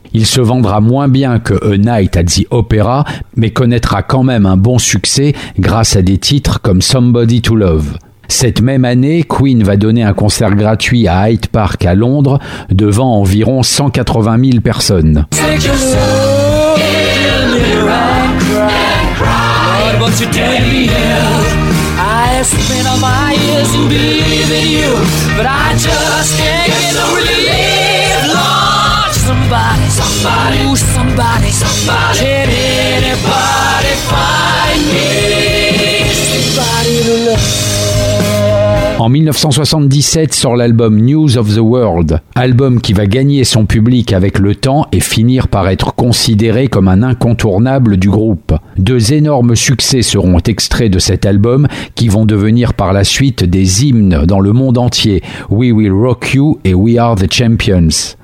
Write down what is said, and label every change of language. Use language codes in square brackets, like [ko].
[fr] Il se vendra moins bien que A Night at the Opera, mais connaîtra quand même un bon succès grâce à des titres comme Somebody to Love. Cette même année, Queen va donner un concert gratuit à Hyde Park à Londres devant environ 180 000 personnes. [en] Take yourself in the mirror, cry. yesterday. I spent all my years in believing you, but I just can't get no relief. Lord, somebody, ooh, somebody, can anybody find me? Somebody to love. [fr] En 1977 sort l'album News of the World, album qui va gagner son public avec le temps et finir par être considéré comme un incontournable du groupe. Deux énormes succès seront extraits de cet album qui vont devenir par la suite des hymnes dans le monde entier, We Will Rock You et We Are the Champions.